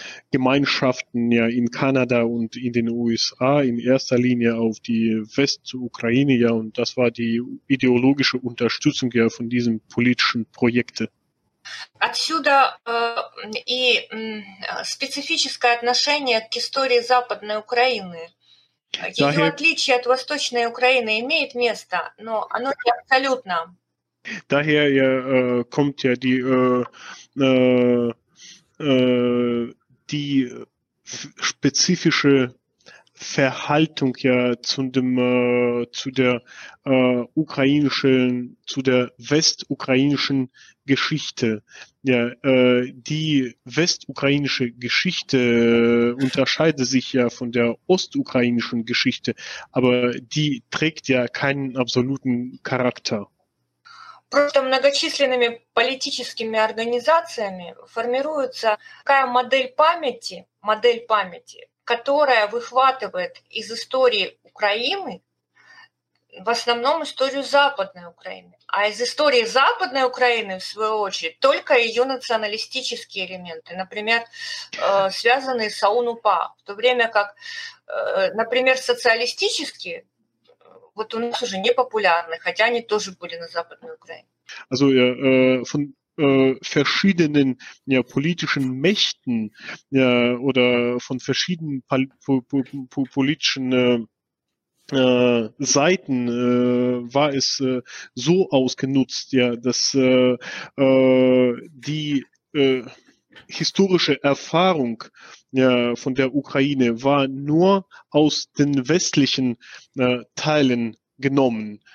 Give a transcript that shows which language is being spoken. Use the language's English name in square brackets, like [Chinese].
[German] Gemeinschaften, ja, in Kanada und in den USA, in erster Linie auf die Westukraine, ja, und das war die ideologische Unterstützung, ja, von diesen politischen Projekten. [Russian] Отсюда и специфическое отношение к истории Западной Украины. Ее отличие от Восточной Украины имеет место, но оно не абсолютно. [German] Daher ja, kommt ja die spezifische Verhaltung, ja, zu der westukrainischen Geschichte. Ja, die westukrainische Geschichte unterscheidet sich ja von der ostukrainischen Geschichte, aber die trägt ja keinen absoluten Charakter. [Russian] Просто многочисленными политическими организациями формируется такая модель памяти, которая выхватывает из истории Украины, в основном историю Западной Украины, а из истории Западной Украины, в свою очередь, только ее националистические элементы, например, связанные с АУН-УПА, в то время как, например, социалистические, вот у нас уже не популярны, хотя они тоже были на Западной Украине. [German] Also ja, von verschiedenen, ja, politischen Mächten, ja, oder von verschiedenen politischen Seiten war es so ausgenutzt, ja, dass die historische Erfahrung, ja, von der Ukraine war nur aus den westlichen Teilen genommen.